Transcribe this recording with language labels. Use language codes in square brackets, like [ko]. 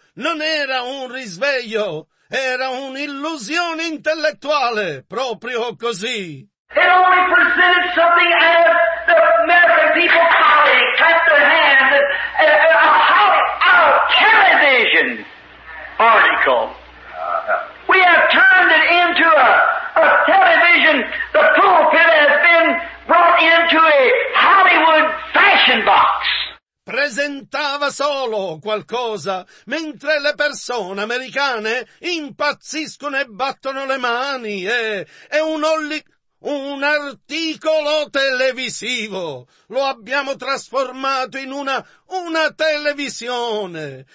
[it] Non era un risveglio, era un'illusione intellettuale, proprio così. [en] It only presented something as the American people probably clap their hands and a television article. We have turned it into a television. The pulpit has been brought into a Hollywood fashion box. [it] Presentava solo qualcosa, mentre le persone americane impazziscono e battono le mani, è un articolo televisivo. Lo abbiamo trasformato in una televisione.